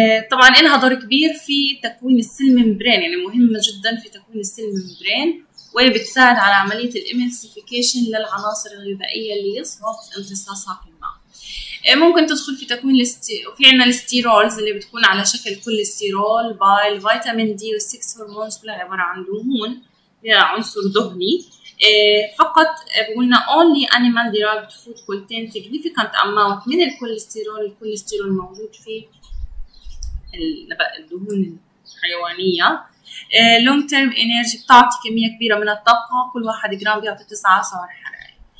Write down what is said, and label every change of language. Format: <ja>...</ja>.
<ar>طبعا إلها دور كبير في تكوين السلمبرين، يعني مهمة جدا في تكوين السلمبرين، وبتساعد على عملية الإمنسيفيكيشن للعناصر الغذائية اللي يصعب امتصاصها في الماء. ممكن تدخل في تكوين وفي عنا الستيرولز اللي بتكون على شكل كوليسترول، بايل، فيتامين دي، والسكس هرمونز، كلها عبارة عن دهون، يعني عنصر دهني.</ar> <en>فقط بقولنا only animal derived food contains significant amount</en> <ar>من الكوليسترول. الكوليسترول موجود في الدهون الحيوانية.</ar> <en>long term energy</en> <ar>بتعطي كمية كبيرة من الطاقة، كل واحد جرام بيعطي 9 سعر حراري.</ar>